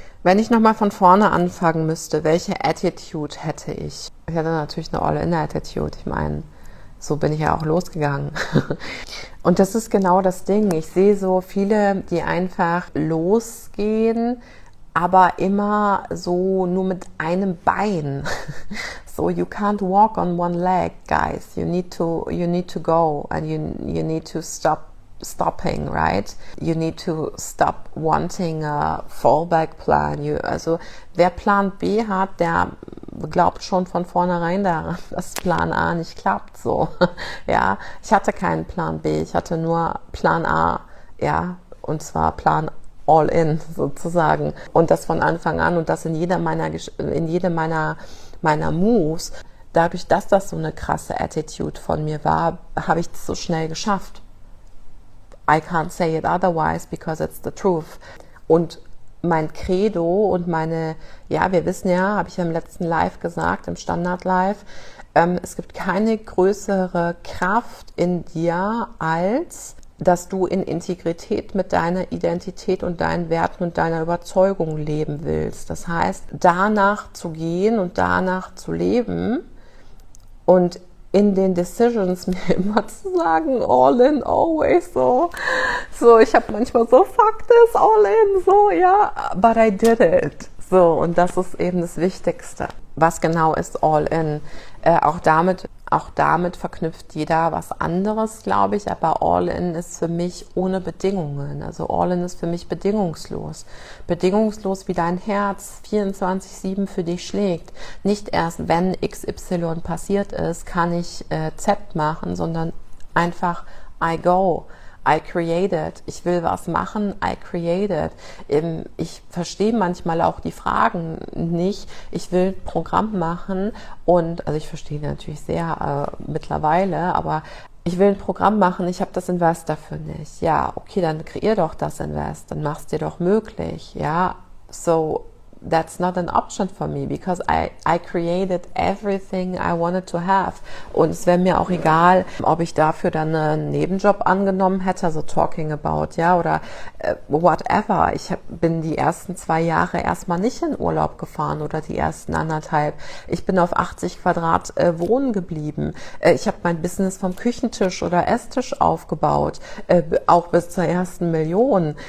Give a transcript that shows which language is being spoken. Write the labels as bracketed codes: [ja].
[de] Wenn ich nochmal von vorne anfangen müsste, welche Attitude hätte ich? Ich hätte natürlich eine All-In-Attitude. Ich meine, so bin ich ja auch losgegangen. Und das ist genau das Ding. Ich sehe so viele, die einfach losgehen, aber immer so nur mit einem Bein. [en] So, you can't walk on one leg, guys. You need to go and you need to stop. Stopping, right? You need to stop wanting a fallback plan. [de] Also, wer Plan B hat, der glaubt schon von vornherein daran, dass Plan A nicht klappt. So, ja, ich hatte keinen Plan B, ich hatte nur Plan A, ja, und zwar Plan All In sozusagen. Und das von Anfang an und das in jedem meiner Moves. Dadurch, dass das so eine krasse Attitude von mir war, habe ich das so schnell geschafft. [en] I can't say it otherwise, because it's the truth. [de] Und mein Credo und meine, ja, wir wissen ja, habe ich ja im letzten Live gesagt, im Standard-Live, es gibt keine größere Kraft in dir, als dass du in Integrität mit deiner Identität und deinen Werten und deiner Überzeugung leben willst. Das heißt, danach zu gehen und danach zu leben und in den Decisions mir immer zu sagen, [en] all in, always, [de] so. So, ich habe manchmal so, [en] fuck this, all in, [de] so, ja, [en] but I did it. [de] So, und das ist eben das Wichtigste. Was genau ist all in? Auch damit verknüpft jeder was anderes, glaube ich, aber all in ist für mich ohne Bedingungen. Also all in ist für mich bedingungslos. Bedingungslos, wie dein Herz 24/7 für dich schlägt. Nicht erst, wenn XY passiert ist, kann ich Z machen, sondern einfach [en] I go. I created. [de] Ich will was machen. [en] I created. [de] Ich verstehe manchmal auch die Fragen nicht. Ich will ein Programm machen und, also ich verstehe natürlich sehr mittlerweile, aber ich will ein Programm machen. Ich habe das Invest dafür nicht. Ja, okay, dann kreier doch das Invest. Dann mach's dir doch möglich. [en] Ja, so that's not an option for me because I created everything I wanted to have. [de] Und es wäre mir auch egal, ob ich dafür dann einen Nebenjob angenommen hätte, [en] so talking about, [de] ja, oder whatever. Ich bin die ersten 2 Jahre erstmal nicht in Urlaub gefahren oder die ersten anderthalb. Ich bin auf 80 Quadrat wohnen geblieben. Ich habe mein Business vom Küchentisch oder Esstisch aufgebaut, auch bis zur ersten Million.